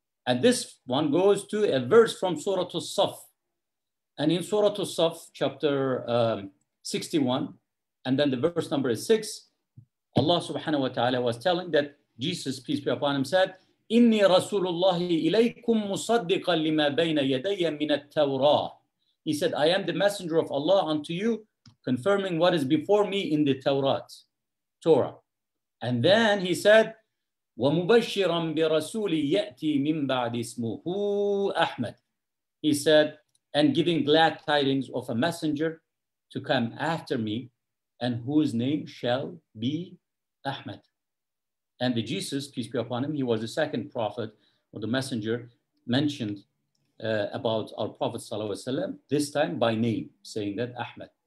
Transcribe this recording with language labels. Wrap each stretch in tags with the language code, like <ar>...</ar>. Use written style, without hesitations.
<en>And this one goes to a verse from Surah As-Saff. And in Surah As-Saff, chapter 61, and then the verse number is 6, Allah subhanahu wa ta'ala was telling that Jesus, peace be upon him, said, إِنِّي رَسُولُ اللَّهِ إِلَيْكُمْ مُصَدِّقًا لِمَا بَيْنَ يَدَيَّ مِنَ التَّوْرَاةِ. He said, I am the messenger of Allah unto you, confirming what is before me in the Torah.</en> <ar>And then he said, وَمُبَشِّرًا بِرَسُولِ يَأْتِي مِنْ بَعْدِ اسْمُهُ أَحْمَدِ.</ar> <en>He said, and giving glad tidings of a messenger to come after me, and whose name shall be Ahmed. And the Jesus, peace be upon him, he was the second prophet or the messenger mentioned about our Prophet sallallahu alaihi wasallam, this time by name, saying that Ahmed.</en>